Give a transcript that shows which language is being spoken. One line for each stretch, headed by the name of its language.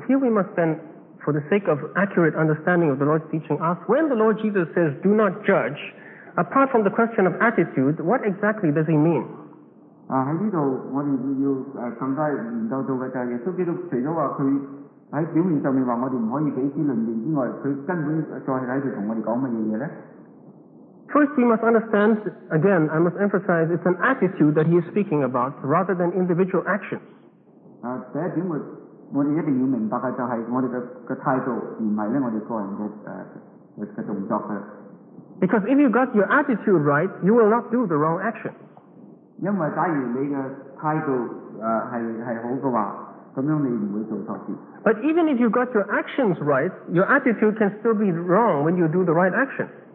English: here we must then, for the sake of accurate understanding of the Lord's teaching, ask, when the Lord Jesus says, do not judge, apart from the question of attitude, what exactly does he mean?
Chinese: 在这里我们要更加研究到的就是耶稣基督除了说他在表面上面说我们不可以给他论断之外，他根本在这里跟我们讲什么呢？
English: First, we must understand, again, I must emphasize, it's an attitude that he is speaking about rather than individual actions.
Chinese: 第一点我们一定要明白的就是我们的态度，而不是我们个人的动作。
English: Because if you got your attitude right, you will not do the wrong action.
Chinese: 因为假如你的态度是好的话，这样你不会做错事。
English: But even if you got your actions right, your attitude can still be wrong when you do the right action.